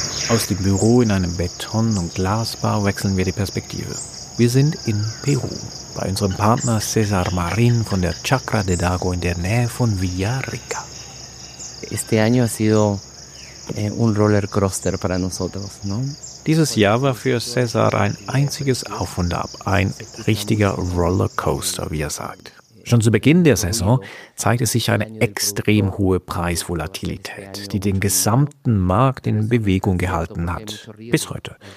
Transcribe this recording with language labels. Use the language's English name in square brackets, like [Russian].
[German] Aus dem Büro in einem Beton- und Glasbar wechseln wir die Perspektive. Wir sind in Peru, bei unserem Partner César Marín von der Chacra de Dago in der Nähe von Villarrica. [Spanish] Este año ha sido un rollercoaster para nosotros, ¿no? [German] Dieses Jahr war für César ein einziges Auf und Ab, ein richtiger Rollercoaster, wie er sagt. Schon zu Beginn der Saison zeigte sich eine extrem hohe Preisvolatilität, die den gesamten Markt in Bewegung gehalten hat, bis heute.